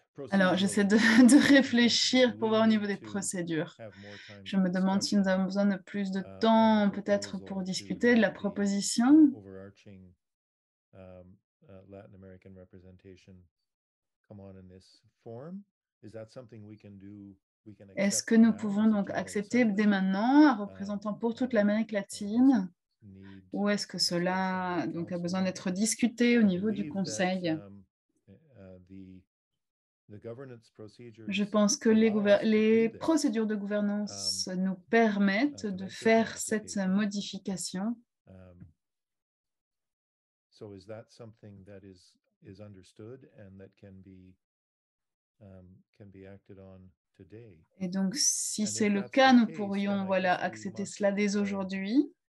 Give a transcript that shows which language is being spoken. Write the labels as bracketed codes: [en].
[fr] Alors, j'essaie de réfléchir pour voir au niveau des procédures. Je me demande si nous avons besoin de plus de temps, peut-être, pour discuter de la proposition. [en] Latin American representation come on in this form. Is that something we can do? We can accept. [fr] Est-ce que nous pouvons donc accepter dès maintenant un représentant pour toute l'Amérique latine? ou est-ce que cela donc a besoin d'être discuté au niveau du Conseil? Je pense que les procédures de gouvernance nous permettent de faire cette modification. [en] So is that something that is understood and that can be acted on today? [fr] Et donc, si c'est le cas, nous pourrions voilà accepter cela dès aujourd'hui.